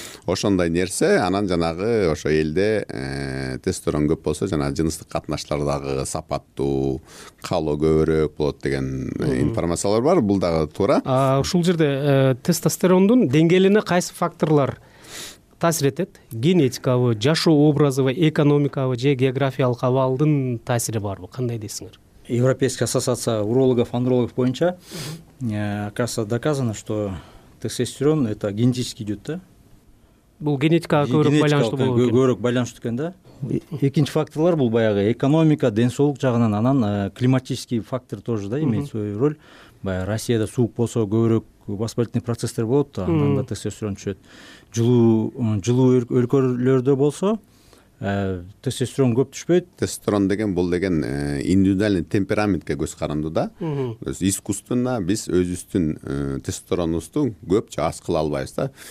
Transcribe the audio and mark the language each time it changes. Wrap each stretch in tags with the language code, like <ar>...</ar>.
<ky>Ошондой нерсе, анан жанагы ошо элде тестостерон көп болсо, жанагы жыныстык катнаштар дагы сапаттуу, калоо көбүрөөк болот деген информациялар бар. Бул дагы туура. Ушул жерде тестостерондун деңгээлине кайсы факторлор таасир этет? Генетикабы, жашоо образыбы, экономикабы же географиялык абалдын таасири барбы? Кандай дейсиңер?</ky> <ru>Европейская ассоциация урологов, андрологов</ru> <ky>боюнча</ky> <ru>оказывается доказано, что тестостерон это генетически идет, да?</ru> <ky>Бул генетикага көбүрөөк байланыштуу болот. Генетикага көбүрөөк байланыштуу экен да. Экинчи факторлор бул баягы экономика, ден соолук жагынан, анан</ky> <ru>климатический фактор тоже да имеет свою роль.</ru> <ky>Баягы Россияда суук болсо көбүрөөк воспалительный процесстер болот, андан да тестостерон түшөт. Жылуу өлкөлөрдө болсо тестостерон көп түшпөйт. Тестостерон деген бул деген индивидуальный темпераментке көз каранды да. Искусственно биз өзүбүздүн тестостеронубузду көп же аз кыла албайбыз да.</ky>